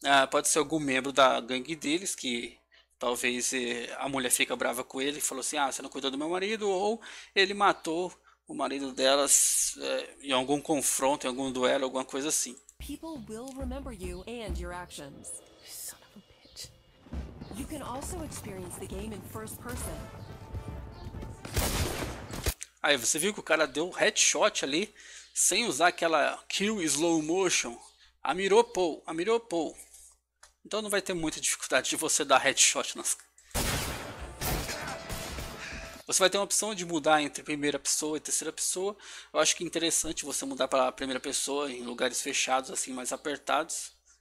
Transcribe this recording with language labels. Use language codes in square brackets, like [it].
[pt] Pode ser algum membro da gangue deles que... Talvez a mulher fica brava com ele e falou assim, ah, você não cuidou do meu marido, ou ele matou o marido delas em algum confronto, em algum duelo, alguma coisa assim. [en] People will remember you and your actions. Son of a bitch. You can also experience the game in first person. [pt] Aí você viu que o cara deu headshot ali sem usar aquela kill slow motion. Amirou Paul, amirou Paul. Então não vai ter muita dificuldade de você dar headshot nas... Você vai ter uma opção de mudar entre primeira pessoa e terceira pessoa. Eu acho que é interessante você mudar para a primeira pessoa em lugares fechados, assim, mais apertados.